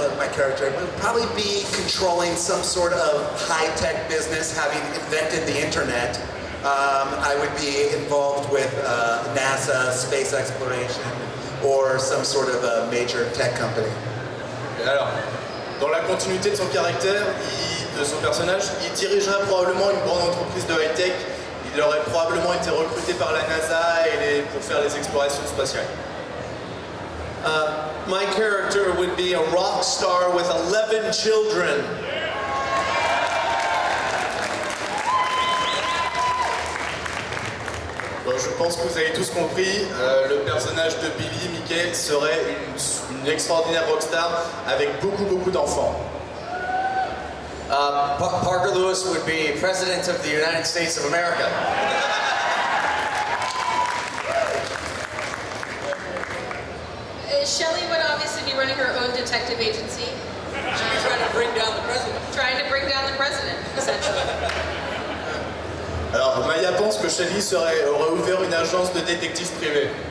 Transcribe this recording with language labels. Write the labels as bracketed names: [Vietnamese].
[English] Character would probably be controlling some sort of high-tech business, having invented the internet. I would be involved with NASA space exploration or some sort of a major tech company. [French] Alors, dans la continuité de son caractère, de son personnage, il dirigerait probablement une grande entreprise de high-tech. Il aurait probablement été recruté par la NASA pour faire les explorations spatiales. [English] My character would be a rock star with 11 children. [French] Bon, je pense que vous avez tous compris, le personnage de Billy Mickey serait une extraordinaire rock star avec beaucoup, beaucoup d'enfants. [English] Parker Lewis would be president of the United States of America. Shelley would obviously be running her own detective agency. She'd be trying to bring down the president. Trying to bring down the president, essentially. [French] Alors, Maia pense que Shelley aurait ouvert une agence de détective privé.